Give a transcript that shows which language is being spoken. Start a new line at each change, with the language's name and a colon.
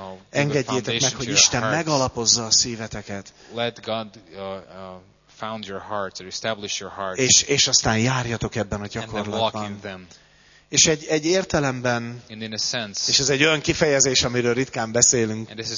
Hungarian: Engedjétek meg, hogy Isten megalapozza a szíveteket.
English: Let God found your hearts or establish your hearts.
Hungarian: És aztán járjatok ebben a gyakorlatban. És egy értelemben, és ez egy olyan kifejezés, amiről ritkán beszélünk.